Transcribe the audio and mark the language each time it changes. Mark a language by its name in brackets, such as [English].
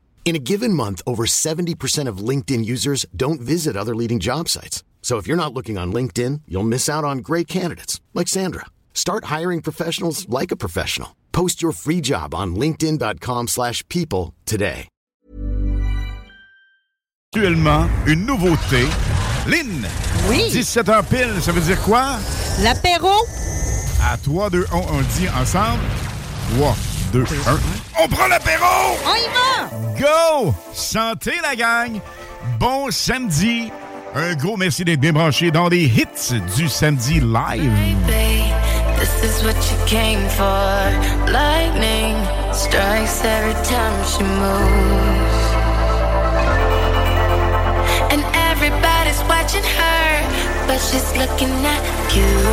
[English] In a given month, over 70% of LinkedIn users don't visit other leading job sites. So if you're not looking on LinkedIn, you'll miss out on great candidates, like Sandra. Start hiring professionals like a professional. Post your free job on linkedin.com/people today. [French] Actuellement, une nouveauté. Lynn! Oui! 17h pile, ça veut dire quoi? L'apéro! À 3, 2, 1, on le dit ensemble. 3, 2, 1. On prend l'apéro! On y va! Go! Santé, la gang! Bon samedi! Un gros merci d'être débranché dans les hits du samedi live. [English] This is what you came for. Lightning strikes every time she moves. And everybody's watching her, but she's looking at you.